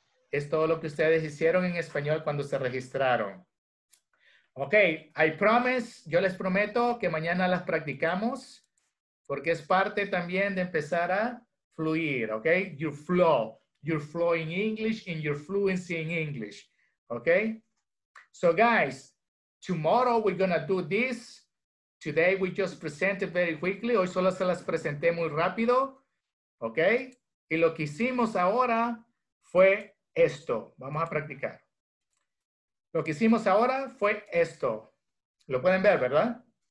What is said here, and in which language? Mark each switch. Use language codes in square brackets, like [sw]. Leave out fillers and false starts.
[es] Es todo lo que ustedes hicieron en español cuando se registraron. Ok, [en] I promise, [es] yo les prometo que mañana las practicamos, porque es parte también de empezar a fluir, ok? [en] Your flow in English and your fluency in English, ok? So guys, tomorrow we're gonna do this. Today we just presented very quickly, [es] hoy solo se las presenté muy rápido, [en] ok? [es] Y lo que hicimos ahora fue esto, vamos a practicar. Lo que hicimos ahora fue esto. Lo pueden ver, ¿verdad?